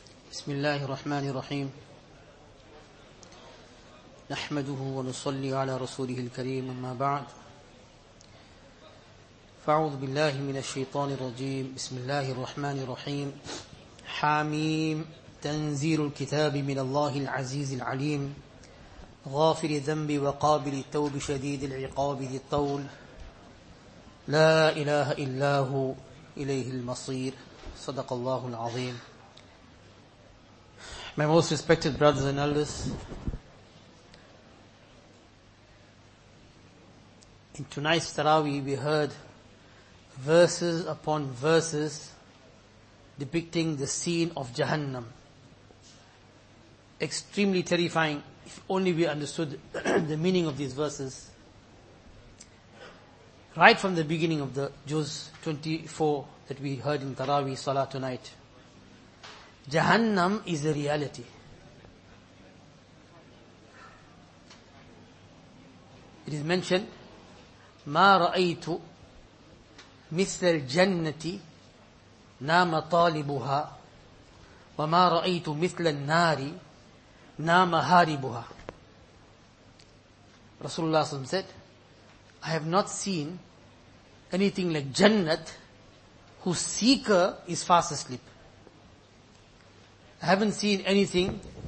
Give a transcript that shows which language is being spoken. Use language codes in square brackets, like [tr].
[ar] بسم الله الرحمن الرحيم نحمده ونصلي على رسوله الكريم أما بعد فأعوذ بالله من الشيطان الرجيم بسم الله الرحمن الرحيم حاميم تنزيل الكتاب من الله العزيز العليم غافر الذنب وقابل التوب شديد العقاب ذي الطول لا إله إلا هو إليه المصير صدق الله العظيم. [en] My most respected brothers and elders, in tonight's Taraweeh we heard verses upon verses depicting the scene of Jahannam. Extremely terrifying if only we understood the meaning of these verses. Right from the beginning of the Juz 24 that we heard in Taraweeh Salah tonight, Jahannam is a reality. It is mentioned, [ar] مَا رَأَيْتُ مِثْلَ الْجَنَّةِ نَامَ طَالِبُهَا وَمَا رَأَيْتُ مِثْلَ النَّارِ نَامَ هَارِبُهَا. [en] Rasulullah SAW said, I have not seen anything like Jannat whose seeker is fast asleep. I haven't seen anything.